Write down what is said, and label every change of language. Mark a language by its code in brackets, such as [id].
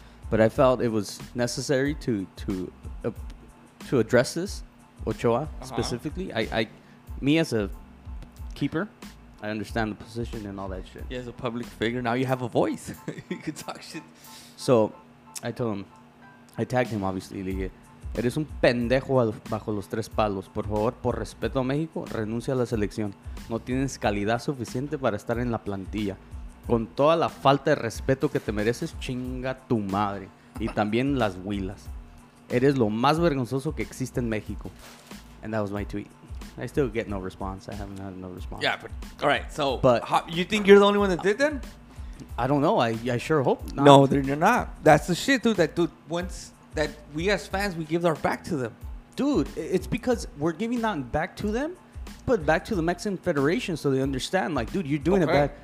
[en] But I felt it was necessary to address this, Ochoa, uh-huh. specifically. Me as a keeper, I understand the position and all that shit. Yeah, as a public figure, now you have a voice. You can talk shit. So, I told him, I tagged him, obviously. [es] Le dije, eres un pendejo bajo los tres palos. Por favor, por respeto a México, renuncia a la selección. No tienes calidad suficiente para estar en la plantilla. Con toda la falta de respeto que te mereces, chinga tu madre. Y también las huilas. Eres lo más vergonzoso que existe en México. [en] And that was my tweet. I still get no response. I haven't had no response. Yeah, but, all right. So, but, how, you think you're the only one that did then? I don't know. I sure hope not. No, they're not. That's the shit, dude. That dude, once that we as fans, we give our back to them. Dude, it's because we're giving that back to them. put back to the Mexican Federation so they understand, like, dude, you're doing it bad.